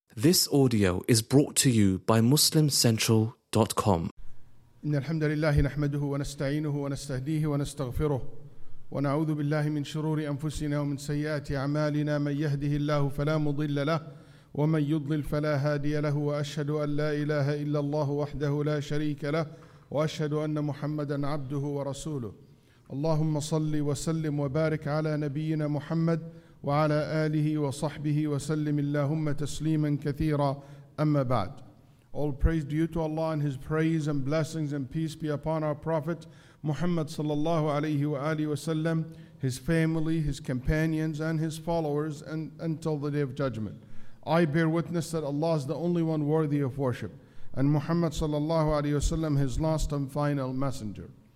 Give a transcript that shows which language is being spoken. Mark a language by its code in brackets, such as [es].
[en] This audio is brought to you by MuslimCentral.com. [ar] إن الحمد لله نحمده ونستعينه ونستهديه ونستغفره ونعوذ بالله من شرور أنفسنا ومن سيئات أعمالنا من يهده الله فلا مضل له ومن يضلل فلا هادي له وأشهد أن لا إله إلا الله وحده لا شريك له وأشهد أن محمدا عبده ورسوله اللهم صل وسلم وبارك على نبينا محمد وعلى آله وصحبه وسلم اللهم تسليما كثيرا أما بعد. [en] All praise due to Allah and His praise and blessings and peace be upon our Prophet Muhammad sallallahu alayhi wa alihi wa sallam, his family, his companions and his followers and until the day of judgment. I bear witness that Allah is the only one worthy of worship and Muhammad sallallahu alayhi wa sallam his last and final messenger.